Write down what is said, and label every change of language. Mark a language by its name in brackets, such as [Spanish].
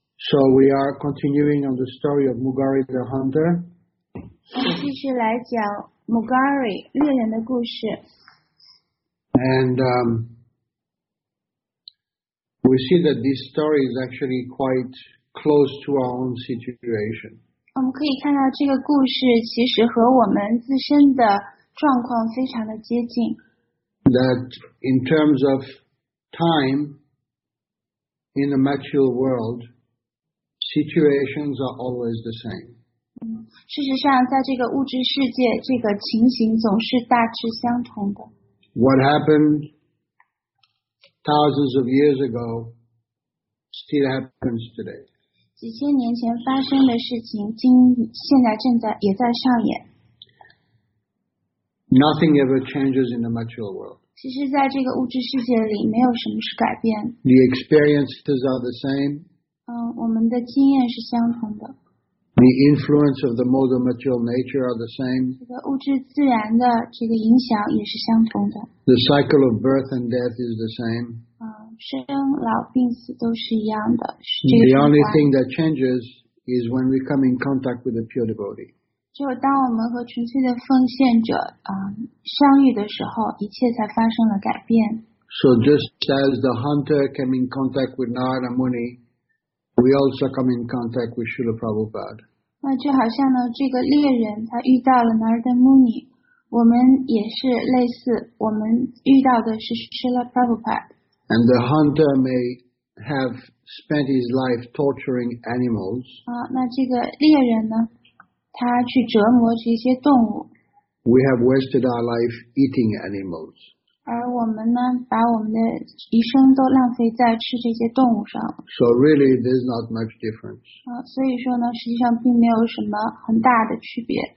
[English] So we are continuing on the story of Mugari the Hunter. [Chinese] 我们继续来讲。Mugari, 猎人的故事。 [English] And we see that this story is actually quite close to our own situation. [Chinese] 我们可以看到这个故事其实和我们自身的状况非常的接近。 [English] That in terms of time, in the material world, situations are always the same. [Chinese] 事实上在这个物质世界这个情形总是大致相同的。 [English] What happened thousands of years ago still happens today. [Chinese] 几千年前发生的事情今现在正在也在上演。 [English] Nothing ever changes in the material world. [Chinese] 其实在这个物质世界里没有什么是改变。 [English] The experiences are the same. [Chinese] 我们的经验是相同的。 [English] The influence of the modal material nature are the same. [Chinese] 这个物质自然的这个影响也是相同的。 [English] The cycle of birth and death is the same. [Chinese] 生老病死都是一样的。 [English] The only thing that changes is when we come in contact with a pure devotee. [Chinese] 只有当我们和纯粹的奉献者相遇的时候，一切才发生了改变。 [English] So just as the hunter came in contact with Narada Muni. We also come in contact with Srila Prabhupada. [Chinese] 那就好像呢，这个猎人他遇到了 Narada Muni， 我们也是类似，我们遇到的是 Srila Prabhupada. [English] And the hunter may have spent his life torturing animals. [Chinese] 那这个猎人呢，他去折磨这些动物。 [English] We have wasted our life eating animals. [Chinese] 而我们呢，把我们的一生都浪费在吃这些动物上。 [English] So really, there's not much difference. [Chinese] 所以说呢，实际上并没有什么很大的区别。